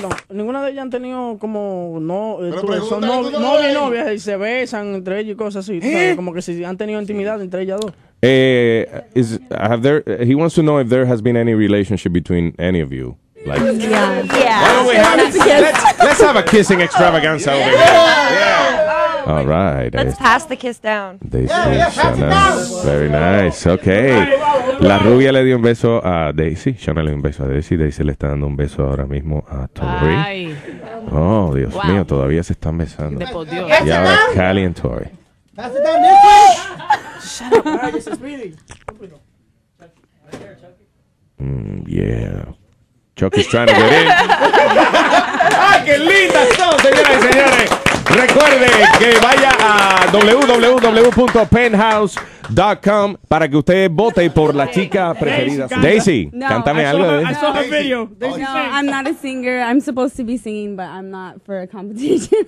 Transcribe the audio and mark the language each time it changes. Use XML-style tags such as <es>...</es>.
<es>Ninguna de ellas han tenido como novias y se besan entre ellos y cosas así. Como que si han tenido intimidad entre ellas dos.</es> <en>He wants to know if there has been any relationship between any of you. Like, let's have a kissing extravaganza over here. All right. Let's pass the kiss down. Daisy, very nice. Okay.</en> <es>La rubia le dio un beso a Daisy. Shana le dio un beso a Daisy. Daisy le está dando un beso ahora mismo a Tori. Oh, Dios mío, todavía se están besando. Y ahora Cali y Tori.</es> <en>Pass it down, Daisy. Chucky's trying to get in.</en> <es>¡Ay, qué lindas son, señoras y señores! Recuerde que vaya a www.penthouse.com para que usted vote por la chica preferida. Daisy, cántame algo.</es> <en>I saw her video. No, I'm not a singer. I'm supposed to be singing, but I'm not for a competition.</en>